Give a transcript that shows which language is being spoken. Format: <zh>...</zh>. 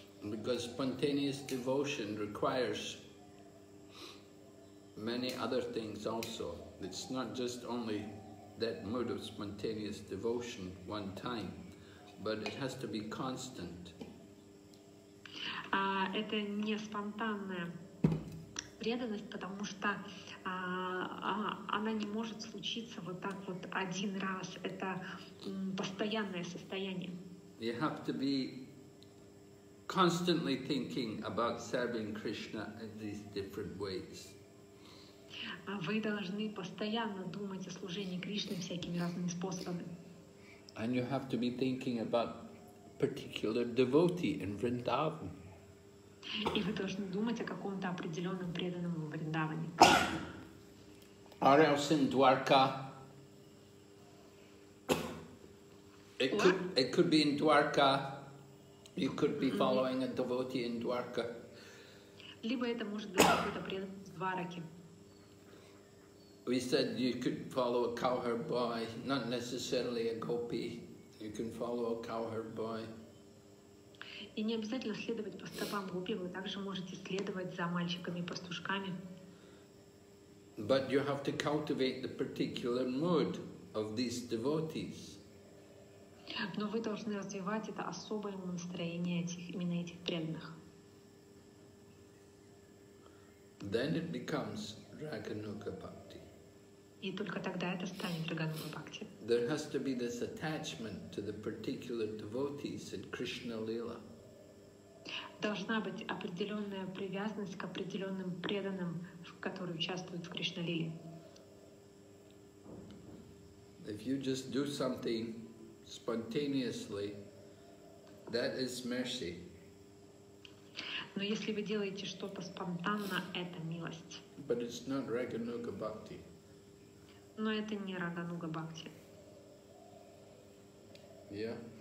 <en>Because spontaneous devotion requires many other things also. It's not just only that mood of spontaneous devotion one time, but it has to be constant.</en> <ru>Это не спонтанная преданность, потому что она не может случиться вот так вот один раз. Это постоянное состояние.</ru> <en>You have to be constantly thinking about serving Krishna in these different ways.</en> <ru>Вы должны постоянно думать о служении Кришне всякими разными способами.</ru> <en>And you have to be thinking about particular devotee in Vrindavan.</en> <ru>И вы должны думать о каком-то определенном преданном в Вриндаване.</ru> <en>Or else in Dwarka. It could be in Dwarka. You could be following a devotee in Dwarka.</en> <ru>Либо это может быть какой-то преданный в Двараке.</ru> <en>We said you could follow a cowherd boy, not necessarily a gopi. You can follow a cowherd boy.</en> <ru>И не обязательно следовать по стопам гопи, вы также можете следовать за мальчиками и пастушками.</ru> <en>But you have to cultivate the particular mood of these devotees.</en> <ru>Но вы должны развивать это особое настроение этих, именно этих преданных.</ru> <en>Then it becomes Raganuga Bhakti.</en> <ru>И только тогда это станет Рагануга Бхакти.</ru> <en>There has to be this attachment to the particular devotees in Krishna Lila.</en> <ru>Должна быть определенная привязанность к определенным преданным, которые участвуют в Кришна Лиле.</ru> <en>If you just do something spontaneously, that is mercy.</en> <ru>Но если вы делаете что-то спонтанно, это милость.</ru> <en>But it's not Рагануга Бхакти.</en> <ru>Но это не Рагануга Бхакти.</ru> <en>Yeah.</en>